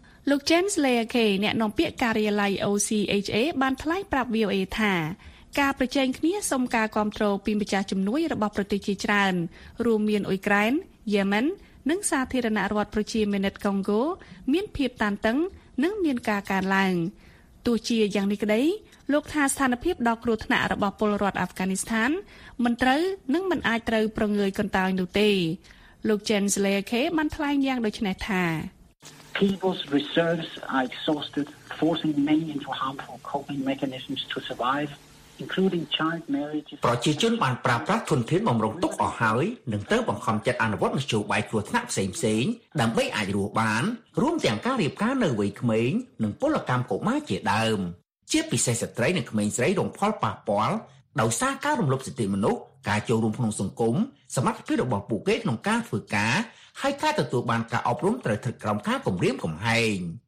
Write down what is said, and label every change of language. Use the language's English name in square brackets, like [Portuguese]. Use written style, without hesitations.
[Khmer] លោក James Leake អ្នកនាំពាក្យការិយាល័យ OCHA បានថ្លែងប្រាប់ VOA ថាការប្រជែងគ្នាសុំការគ្រប់គ្រងពីម្ចាស់ជំនួយរបស់ប្រទេសជាច្រើនរួមមានអ៊ុយក្រែនយេម៉ែននិងសាធារណរដ្ឋប្រជាមានិតកុងហ្គោមានភាពតានតឹងនិងមានការកើនឡើងទោះជាយ៉ាងនេះក្តីលោកថាស្ថានភាពដ៏គ្រោះថ្នាក់របស់ពលរដ្ឋអាហ្វហ្គានីស្ថានមិនត្រូវនិងមិនអាចត្រូវប្រងើយកន្តើយនោះទេលោក James Leake បានថ្លែងយ៉ាងដូចនេះថា [English] People's reserves are exhausted, forcing many into harmful coping mechanisms to survive, including child marriage. [Khmer] ប្រជាជនបានប្រើប្រាស់ធនធានបម្រុងទុកអស់ហើយនឹងត្រូវបង្ខំចិត្តអនុវត្តមជ្ឈបាយគ្រោះថ្នាក់ផ្សេងៗដើម្បីអាចរស់បានរួមទាំងការរៀបការនៅវ័យក្មេងនិងពលកម្មកុមារជាដើមជាពិសេសស្ត្រីនិងក្មេងស្រីរងផលប៉ះពាល់ដោយសារការរំលោភសិទ្ធិមនុស្សការចូលរួមក្នុងសង្គមសមត្ថភាពរបស់ពួកគេក្នុងការធ្វើការហើយការទទួលបានការអប់រំត្រូវធ្វើក្រោមការគំរាមកំហែង